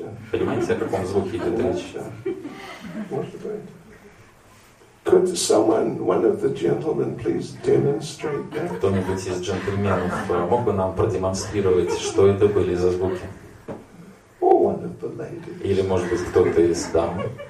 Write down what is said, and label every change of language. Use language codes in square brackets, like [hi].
[ru] Понимаете, о каком звуке идет речь? [en] Could someone, one of the gentlemen, please demonstrate that? [ru] Кто-нибудь из джентльменов мог бы нам продемонстрировать, что это были за звуки? [en] Or one of the ladies. [ru] Или, может быть, кто-то из дам?